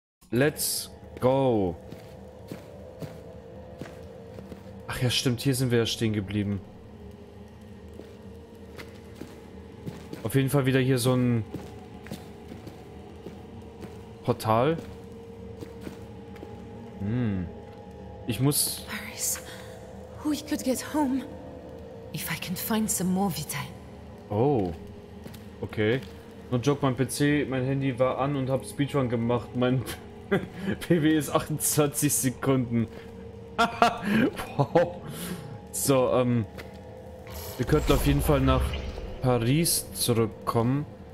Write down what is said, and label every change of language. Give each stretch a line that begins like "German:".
English: Let's go.
German: Ach ja, stimmt, hier sind wir ja stehen geblieben. Auf jeden Fall wieder hier so ein Portal. Ich muss.
English: Paris, we could get home, if I can find some more vitae. Oh, okay. No joke,
German: mein PC, mein Handy war an und hab Speedrun gemacht. Mein PW ist 28 Sekunden. Wow. So, wir könnten auf jeden Fall nach Paris zurückkommen.